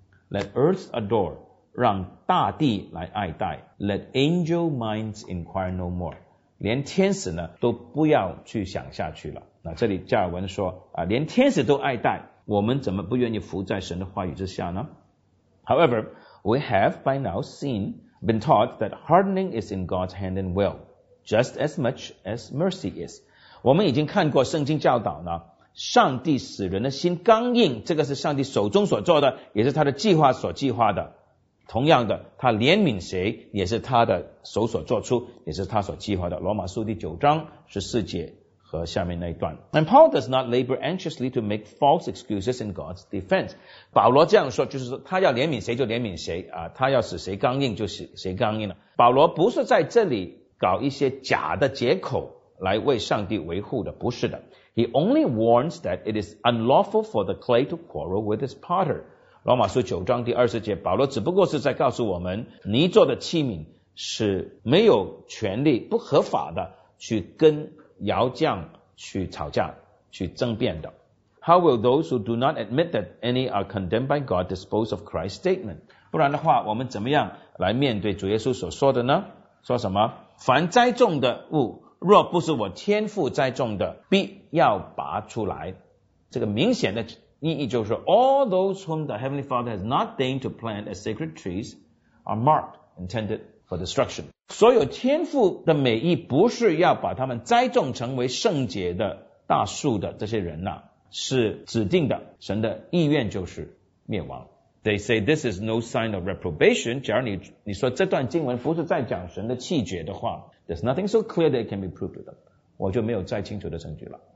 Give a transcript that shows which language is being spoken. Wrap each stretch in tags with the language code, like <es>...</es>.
<en>Let earth adore，</en> <zh>让大地来爱戴。</zh> <en>Let angel minds inquire no more，</en> <zh>连天使呢都不要去想下去了。那这里加尔文说啊，连天使都爱戴，我们怎么不愿意服在神的话语之下呢？</zh> <en>However, we have by now seen, been taught that hardening is in God's hand and will, just as much as mercy is.</en> <zh>我们已经看过圣经教导呢，上帝使人的心刚硬，这个是上帝手中所做的，也是他的计划所计划的。同样的，他怜悯谁也是他的手所做出，也是他所计划的。罗马书第九章十四节和下面那一段。</zh> <en>And Paul does not labor anxiously to make false excuses in God's defense，</en> <zh>保罗这样说就是说他要怜悯谁就怜悯谁啊，他要使谁刚硬就使谁刚硬了。保罗不是在这里搞一些假的借口来为上帝维护的，不是的。</zh> <en>He only warns that it is unlawful for the clay to quarrel with his potter，</en> <zh>罗马书九章第二十节，保罗只不过是在告诉我们，泥做的器皿是没有权利、不合法的去跟窑匠去吵架、去争辩的。</zh> <en>How will those who do not admit that any are condemned by God dispose of Christ's statement？</en> <zh>不然的话，我们怎么样来面对主耶稣所说的呢？说什么？凡栽种的物，若不是我天父栽种的，必要拔出来。这个明显的意义就是</zh> <en>All those whom the Heavenly Father has not deigned to plant as sacred trees are marked, intended for destruction.</en> <zh>所有天父的美意不是要把他们栽种成为圣洁的大树的这些人、是指定的，神的意愿就是灭亡。</zh> <en>They say this is no sign of reprobation，</en> <zh>假如 你说这段经文不是在讲神的弃绝的话，</zh> <en>There's nothing so clear that it can be proved to them，</en> <zh>我就没有再清楚的证据了。</zh>